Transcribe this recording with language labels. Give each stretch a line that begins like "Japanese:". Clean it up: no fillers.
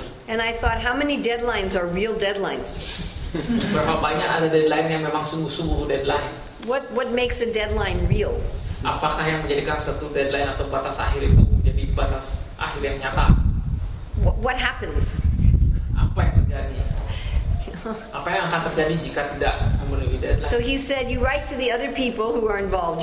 English: And I thought, how many deadlines are real deadlines?
Indonesian: Berapa banyak ada deadline yang memang sungguh-sungguh deadline?
English: What makes a deadline real?
Indonesian: Apakah yang menjadikan satu deadline atau batas akhir itu menjadi batas akhir yang nyata?
English: What happens?
Indonesian: Apa yang terjadi? Apa yang akan terjadi jika tidak memenuhi deadline?
English: So he said, you write to the other people who are involved.